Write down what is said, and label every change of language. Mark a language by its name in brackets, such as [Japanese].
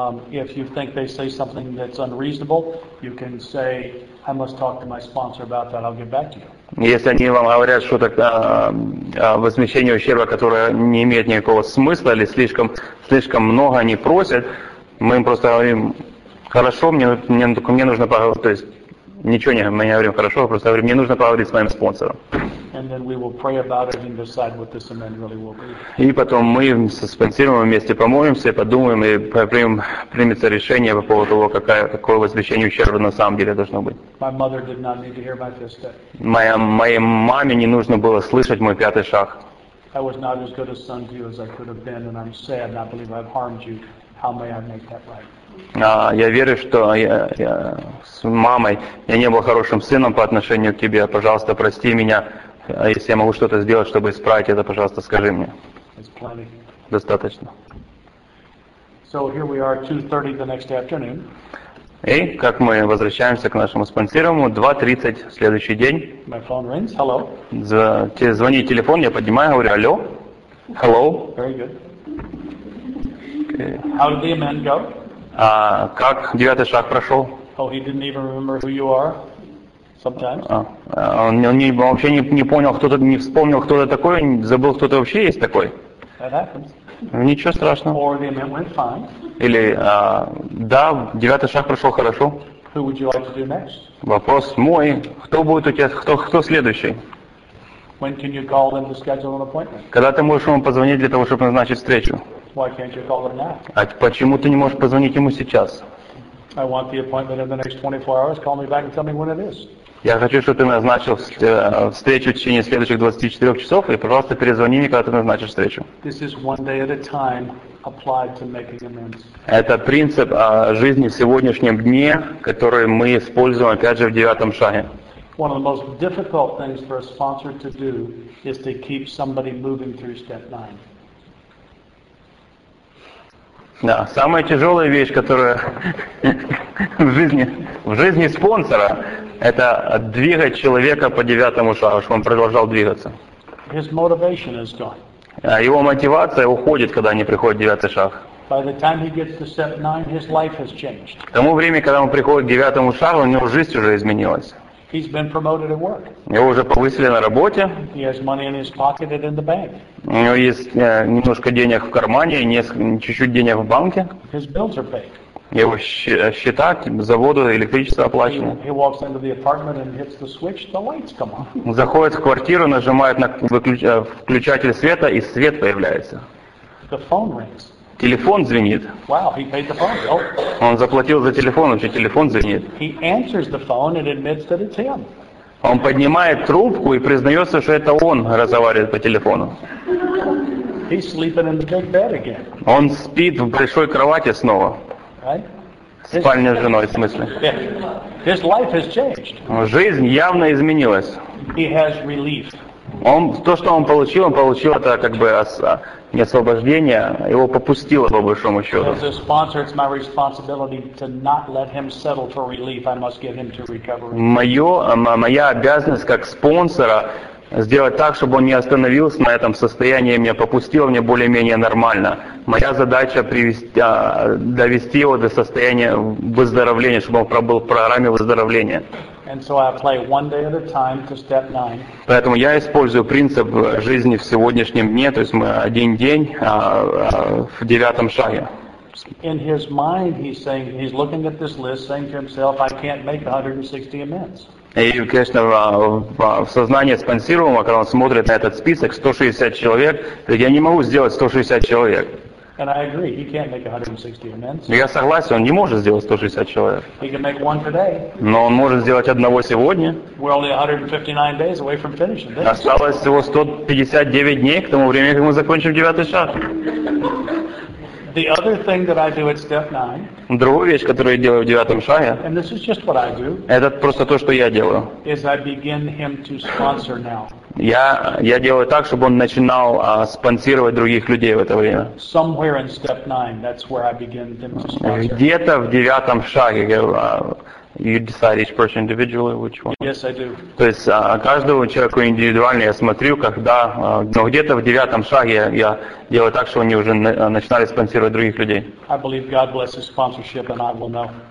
[English] If you think they say something that's unreasonable, you can say, I must talk to my sponsor about that. I'll get back to you. [Russian] Если они вам говорят, что так возмещение ущерба, которое не имеет никакого смысла или слишком много они просят, мы им просто говорим, хорошо, мне нужно поговорить, то есть ничего не мы не говорим хорошо, просто говорим, мне нужно поговорить с моим спонсором. [English] And then we will pray about it and decide what this amend really will be. [Russian] И потом мы со спонсором вместе помолимся, подумаем и примется решение по поводу того, какое возмещение ущерба на самом деле должно быть. [English] My mother did not need to hear my fifth step. [Russian] Моей маме не нужно было слышать мой пятый шаг. [English] I was not as good a son to you as I could have been, and I'm sad, and I believe I've harmed you. How may I make that right? [Russian] Я верю, что я с мамой я не был хорошим сыном по отношению к тебе. Пожалуйста, прости меня. Если я могу что-то сделать, чтобы исправить это, пожалуйста, скажи мне. Достаточно. [English] So here we are, 2:30 the next afternoon. [Russian] И как мы возвращаемся к нашему спонсируемому, 2:30 следующий день. [English] My phone rings. Hello. [Russian] Звонит телефон, я поднимаю, говорю, алло. Hello. [English] Very good. How did the amend go? [Russian] Как девятый шаг прошел? [English] Oh, he didn't even remember who you are. Sometimes. [Russian] Он вообще не вспомнил, кто ты такой, забыл, кто ты вообще есть такой. [English] That happens. [Russian] Ничего страшного. [English] Or the amendment went fine. [Russian] Или да, девятый шаг прошел хорошо. [English] Who would you like to do next? [Russian] Вопрос мой. Кто будет у тебя, кто следующий? [English] When can you call them to schedule an appointment? [Russian] Когда ты можешь ему позвонить для того, чтобы назначить встречу? [English] Why can't you call them now? [Russian] А почему ты не можешь позвонить ему сейчас? [English] I want the appointment in the next 24 hours. Call me back and tell me when it is. [Russian] Я хочу, чтобы ты назначил встречу в течение следующих 24 часов, и, пожалуйста, перезвони мне, когда ты назначишь встречу. [English] This is one day at a time applied to making amends. [Russian] Это принцип жизни в сегодняшнем дне, который мы используем, опять же, в девятом шаге. [English] One of the most difficult things for a sponsor to do is to keep somebody moving through step 9. [Russian] Да, самая тяжелая вещь, которая в жизни спонсора, это двигать человека по девятому шагу, чтобы он продолжал двигаться. [English] His motivation is gone. [Russian] А его мотивация уходит, когда не приходит девятый шаг. [English] By the time he gets to step 9, his life has changed. [Russian] К тому времени, когда он приходит к девятому шагу, у него жизнь уже изменилась. [English] He's been promoted at work. [Russian] Его уже повысили на работе. [English] He has money in his pocket and in the bank. [Russian] У него есть немножко денег в кармане, чуть-чуть денег в банке. [English] His bills are paid. [Russian] Его счета, заводу, электричество оплачено. [English] He walks into the apartment and hits the switch, the lights come on. [Russian] Заходит в квартиру, нажимает на включатель света, и свет появляется. [English] The phone rings. [Russian] Телефон звенит. [English] Wow, he paid the phone bill. [Russian] Он заплатил за телефон, вообще телефон звенит. [English] He answers the phone and admits that it's him. [Russian] Он поднимает трубку и признается, что это он разговаривает по телефону. [English] He's sleeping in the big bed again. [Russian] Он спит в большой кровати снова. [English] Right? [Russian] В спальне с женой, в смысле. [English] His life has changed. [Russian] Жизнь явно изменилась. [English] He has relief. [Russian] Он, то, что он получил это как бы не освобождение, его попустило, по большому счету. [English] As a sponsor, it's my responsibility to not let him settle for relief. I must get him to recovery. [Russian] Моя обязанность как спонсора сделать так, чтобы он не остановился на этом состоянии, меня попустило, мне более-менее нормально. Моя задача довести его до состояния выздоровления, чтобы он был в программе выздоровления. [English] And so I apply one day at a time to step 9. [Russian] Поэтому я использую принцип жизни в сегодняшнем дне, то есть мы один день в девятом шаге. [English] In his mind, he's looking at this list, saying to himself, I can't make 160 amends. [Russian] И, конечно, в сознании спонсируемого, когда он смотрит на этот список, 160 человек, я не могу сделать 160 человек. [English] And I agree, he can't make 160 amends. [Russian] Я согласен, он не может сделать 160 человек. [English] He can make one today. [Russian] Но он может сделать одного сегодня. [English] We're only 159 days away from finishing this. [Russian] Осталось всего 159 дней к тому времени, как мы закончим девятый шаг. [English] The other thing that I do at step 9. [Russian] Другая вещь, которую я делаю в девятом шаге. [English] And this is just what I do. [Russian] Это просто то, что я делаю. [English] Is I begin him to sponsor now. [Russian] Я делаю так, чтобы он начинал спонсировать других людей в это время. [English] Somewhere in step 9, that's where I begin him to sponsor. [Russian] Где-то в девятом шаге. [English] You decide each person individually which one. Yes, I do. [Russian] То есть каждому человеку индивидуально я смотрю, когда, но где-то в девятом шаге я делаю так, что они уже начинали спонсировать других людей. [English] I believe God blesses sponsorship, and I will know.